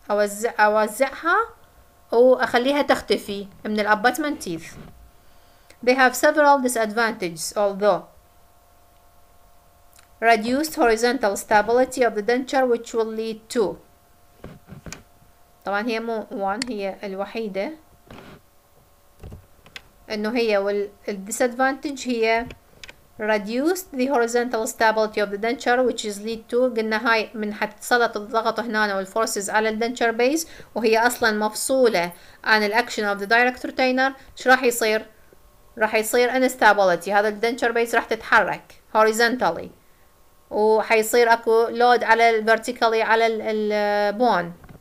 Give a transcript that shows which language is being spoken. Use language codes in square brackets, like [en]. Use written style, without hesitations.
[ar] أوزعها وأخليها تختفي من ال abutment teeth. [en] They have several disadvantages, although reduced horizontal stability of the denture, which will lead to. [ar] طبعا هي مو one، هي الوحيدة. انه هي والديسادفانتج هي [en] reduced the horizontal stability of the denture which is lead to، [ar] قلنا هاي من حتسلط الضغط هنا والفورسز على الدنشر بيز وهي اصلا مفصوله عن الاكشن اوف ذا دايركت ريتينر، ايش راح يصير؟ راح يصير انستابيليتي، هذا الدنشر بيز راح تتحرك horizontally وحيصير اكو لود على vertically على البون.